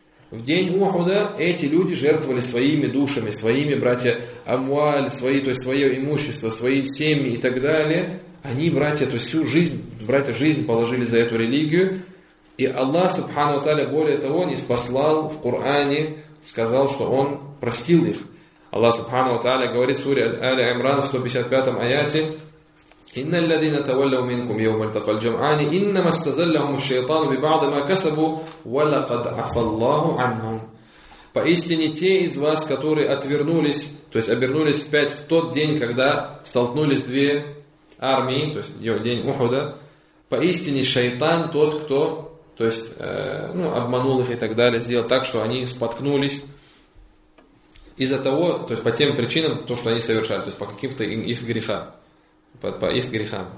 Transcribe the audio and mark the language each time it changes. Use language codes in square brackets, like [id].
[ru] В день Ухуда эти люди жертвовали своими душами, своими, братья, амуаль, свои, то есть свое имущество, свои семьи и так далее. Они, братья, то есть всю жизнь, братья, жизнь положили за эту религию. И Аллах, Субхану Таля, более того, не спаслал в Коране, сказал, что Он простил их. Аллах, Субхану Таля, говорит в суре Али Имран в 155 аяте, [ar] إن الذين تولوا منكم يوم التقى الجمعان إنما استزلهم الشيطان ببعض ما كسبوا ولقد عفى الله عنهم. [ru] Поистине те из вас, которые отвернулись, то есть обернулись вспять в тот день, когда столкнулись две армии, то есть день Ухуда, поистине шайтан тот, кто, то есть, ну, обманул их и так далее, сделал так, что они споткнулись из-за того, то есть по тем причинам, то, что они совершали, то есть по каким-то их грехам. По их грехам.